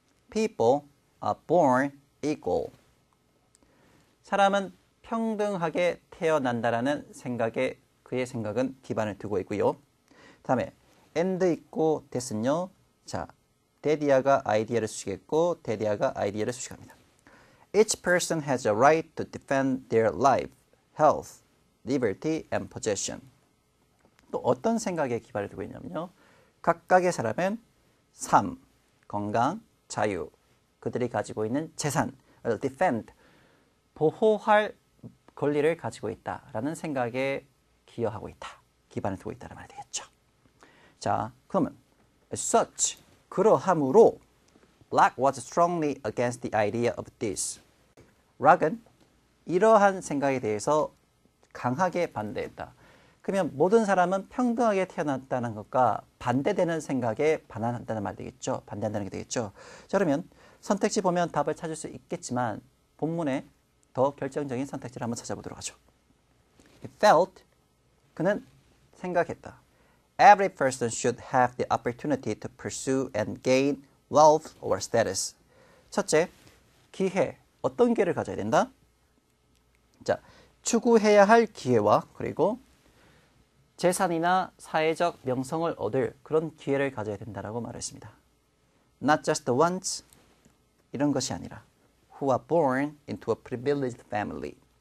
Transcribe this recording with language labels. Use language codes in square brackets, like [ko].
[en] People are born equal. [ko] 사람은 평등하게 태어난다라는 생각에 그의 생각은 기반을 두고 있고요. 다음에 and 있고 that은요. 자, 데디아가 아이디어를 수식했고 데디아가 아이디어를 수식합니다. [en] Each person has a right to defend their life, health, liberty and possession. [ko] 또 어떤 생각에 기반을 두고 있냐면요. 각각의 사람은 삶, 건강, 자유, 그들이 가지고 있는 재산을 defend, 보호할 권리를 가지고 있다라는 생각에 기여하고 있다. 기반을 두고 있다는 말이 되겠죠. 자, 그러면 [en] as such, [ko] 그러하므로 [en] Locke was strongly against the idea of this. [ko] Locke은 이러한 생각에 대해서 강하게 반대했다. 그러면 모든 사람은 평등하게 태어났다는 것과 반대되는 생각에 반한다는 말이 되겠죠. 반대한다는 게 되겠죠. 자, 그러면 선택지 보면 답을 찾을 수 있겠지만 본문에 더 결정적인 선택지를 한번 찾아보도록 하죠. [en] He felt, [ko] 그는 생각했다. [en] Every person should have the opportunity to pursue and gain wealth or status. [ko] 첫째, 기회. 어떤 기회를 가져야 된다? 자, 추구해야 할 기회와 그리고 재산이나 사회적 명성을 얻을 그런 기회를 가져야 된다라고 말했습니다. [en] Not just once, [ko] 이런 것이 아니라. [en] Who are born into a privileged family.